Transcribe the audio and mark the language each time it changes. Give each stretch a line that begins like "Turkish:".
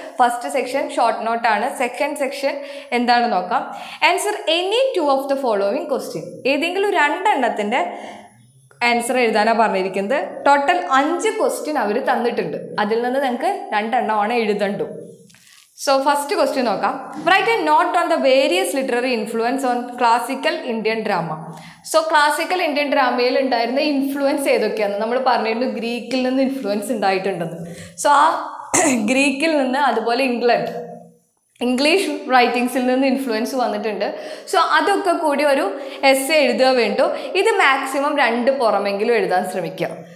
Malayalam: First section short നോട്ടാണ്. Second section എന്താണ് നോക്കാം.
English: Answer any two of the following question.
Malayalam: ഏതെങ്കിലും രണ്ടെണ്ണത്തിൻ്റെ answer എഴുതാനാണ് പറഞ്ഞിരിക്കുന്നത്. ടോട്ടൽ 5 ക്വസ്റ്റ്യൻ അവർ തന്നിട്ടുണ്ട്, അതിൽ നിന്ന് നിങ്ങൾക്ക് രണ്ടെണ്ണമാണ് എഴുതണ്ടു.
English: So, first question okay. Write a note on the various literary influence on classical Indian drama.
Malayalam: So classical Indian ഡ്രാമയിൽ ഉണ്ടായിരുന്ന ഇൻഫ്ലുവൻസ് ഏതൊക്കെയാണ്. നമ്മൾ പറഞ്ഞിരുന്നു ഗ്രീക്കിൽ നിന്ന് ഇൻഫ്ലുവൻസ് ഉണ്ടായിട്ടുണ്ടെന്ന്. സോ ആ ഗ്രീക്കിൽ നിന്ന്, അതുപോലെ ഇംഗ്ലണ്ട് ഇംഗ്ലീഷ് റൈറ്റിംഗ്സിൽ നിന്ന് ഇൻഫ്ലുവൻസ് വന്നിട്ടുണ്ട്. സോ അതൊക്കെ കൂടി ഒരു എസ് എഴുതുക വേണ്ടു. ഇത് മാക്സിമം രണ്ട് പുറമെങ്കിലും എഴുതാൻ ശ്രമിക്കുക.